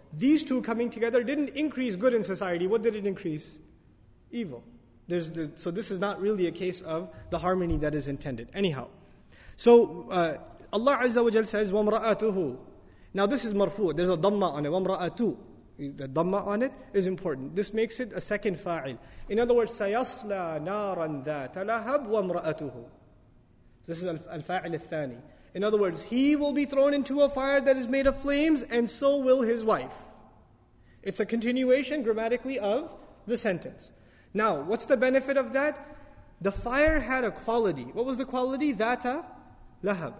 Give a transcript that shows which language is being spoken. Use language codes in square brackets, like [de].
[en] These two coming together didn't increase good in society. What did it increase? Evil. So this is not really a case of the harmony that is intended. Anyhow, so Allah Azza wa Jal says, [ar] وَمْرَأَتُهُ. [en] Now this is marfu, there's a dhamma on it, [ar] وَمْرَأَتُهُ. [en] The dhamma on it is important. This makes it a second fa'il. In other words, [ar] سَيَصْلَى نَارًا ذَاتَ لَهَبْ وَمْرَأَتُهُ. [en] This is al-fa'il al-thani. In other words, he will be thrown into a fire that is made of flames, and so will his wife. It's a continuation grammatically of the sentence. Now, what's the benefit of that? The fire had a quality. What was the quality? [ar] ذَاتَ لَهَبْ.